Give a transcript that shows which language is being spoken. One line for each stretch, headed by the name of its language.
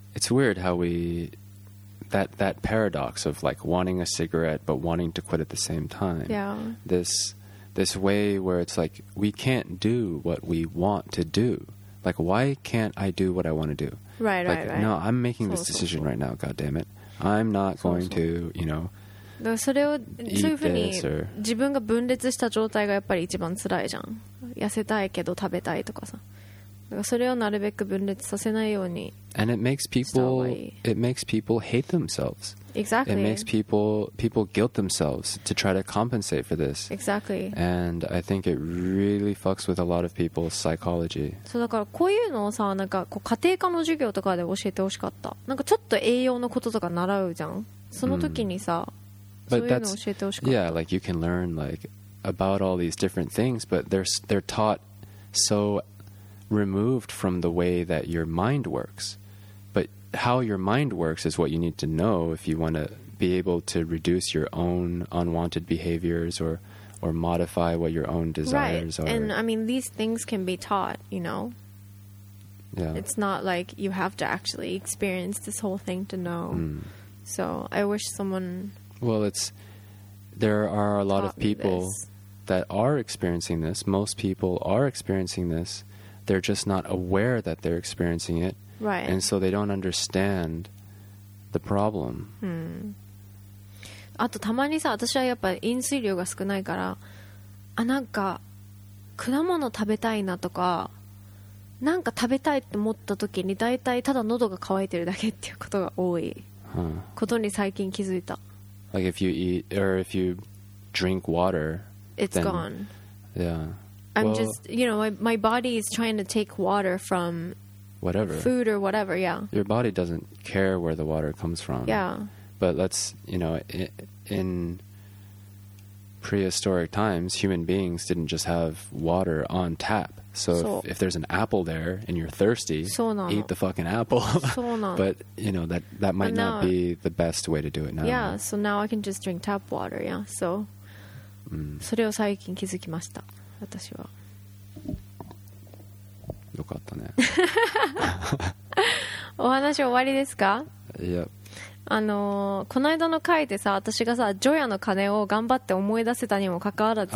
English: It's weird how we that paradox of like wanting a cigarette but wanting to quit at the same time. Yeah. This way where it's like we can't do what we want to do. Like why can't I do what I want to do? Right, like, right, right. No, I'm making this decision right now. God damn it, I'm not going to, you know.
Japanese: だからそれをそういうふうに自分が分裂した状態がやっぱり一番辛いじゃん痩せたいけど食べたいとかさだからそれをなるべく分裂させないようにした方がいい
English: And it makes people hate themselves Exactly It makes people guilt themselves to try to compensate for this Exactly And I think it really fucks with a lot of people's psychology
Japanese: そうだからこういうのをさなんかこう家庭科の授業とかで教えてほしかったなんかちょっと栄養のこととか習うじゃんその時にさ、mm.
English: But that's yeah, like you can learn like about all these different things, but they're taught so removed from the way that your mind works. But how your mind works is what you need to know if you want to be able to reduce your own unwanted behaviors or modify what your own desires are. Right, and I mean these things can be taught, you know. Yeah, it's not like you have to actually experience this whole thing to know.、 Mm. So I wish someone. Well, there are a lot of people that are experiencing this. Most people are experiencing this. They're just not aware that they're experiencing it. Right. And so they don't understand the problem. Hmm.
Japanese: あとたまにさ、私はやっぱ飲水量が少ないから、あ、なんか果物食べたいなとか、なんか食べたいって思った時に大体ただ喉が渇いてるだけっていうことが多いことに最近気づいた。
English: Like if you eat or if you drink water, it's gone. Yeah, I'm well, just you know my body is trying to take water from whatever. Food or whatever, yeah. Your body doesn't care where the water comes from. Yeah. But let's, you know, in prehistoric times, human beings didn't just have water on tap. So if there's an apple there and you're thirsty, eat the fucking apple. But, you know, that might not be the best way to do it now. Yeah, so now I can just drink tap water, yeah.
Japanese: So, それを最近気づきました。私は。よかったね。お話終わりですか？いや。この間の回でさ、私がさ、除夜の鐘を頑張って思い出せたにもかかわらず、